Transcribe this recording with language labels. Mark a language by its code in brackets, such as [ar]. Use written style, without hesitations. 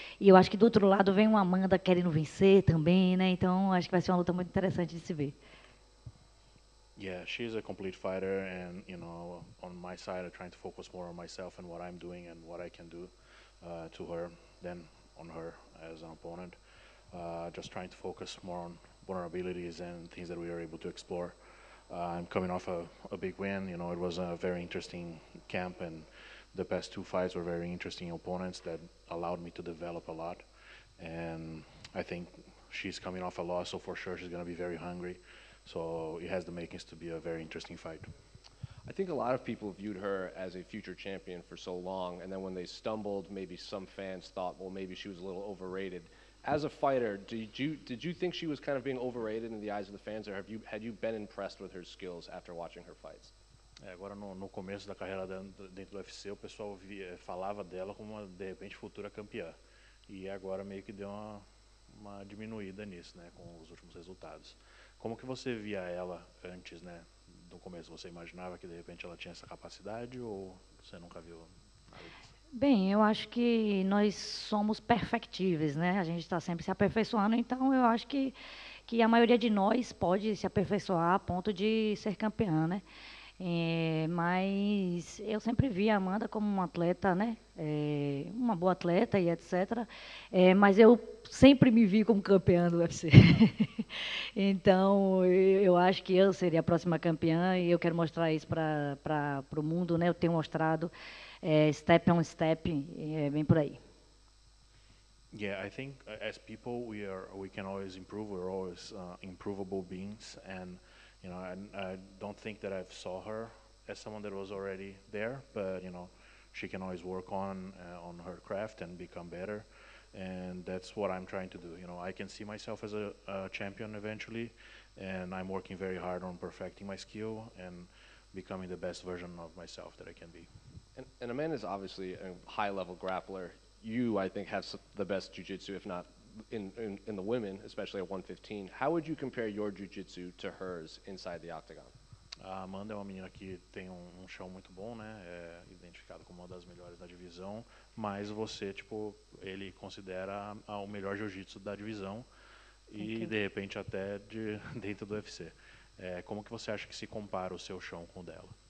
[pt] E eu acho que do outro lado vem uma Amanda querendo vencer também, né, então acho que vai ser uma luta muito interessante de se ver. [en] Yeah, she's a complete fighter, and you know, on my side, I'm trying to focus more on myself and what I'm doing and what I can do to her than on her as an opponent. Just trying to focus more on vulnerabilities and things that we are able to explore. I'm coming off a big win. You know, it was a very interesting camp, and the past two fights were very interesting opponents that allowed me to develop a lot. And I think she's coming off a loss, so for sure she's going to be very hungry. So it has the makings to be a very interesting fight. I think a lot of people viewed her as a future champion for so long, and then when they stumbled, maybe some fans thought, well, maybe she was a little overrated. As a fighter, did you think she was kind of being overrated in the eyes of the fans, or had you been impressed with her skills after watching her fights? [pt] Agora no começo da carreira dentro do UFC, o pessoal falava dela como uma, de repente, futura campeã. E agora meio que deu uma diminuída nisso, né, com os últimos resultados. Como que você via ela antes, né? No começo, você imaginava que de repente ela tinha essa capacidade ou você nunca viu nada disso? Bem, eu acho que nós somos perfectíveis, né? A gente está sempre se aperfeiçoando, então eu acho que a maioria de nós pode se aperfeiçoar a ponto de ser campeã, né? Mas eu sempre vi a Amanda como uma atleta, né? Uma boa atleta e etc. Mas eu sempre me vi como campeã do UFC. Então, eu acho que eu seria a próxima campeã e eu quero mostrar isso para o mundo, né? Eu tenho mostrado [en] step on step, [pt] bem por aí. [en] Yeah, I think as people we can always improve. We're always improvable beings, and you know, I don't think that I've saw her as someone that was already there, but you know, she can always work on her craft and become better. And that's what I'm trying to do. You know, I can see myself as a champion eventually, and I'm working very hard on perfecting my skill and becoming the best version of myself that I can be. And Amanda's obviously a high-level grappler. You, I think, have the best jiu-jitsu, if not in the women, especially at 115. How would you compare your jiu-jitsu to hers inside the octagon? [pt] Amanda é uma menina que tem um chão muito bom, né? É identificada como uma das melhores da divisão. Mas você, tipo, ele considera o melhor jiu-jitsu da divisão e, okay, de repente, até dentro do UFC. Como que você acha que se compara o seu chão com o dela?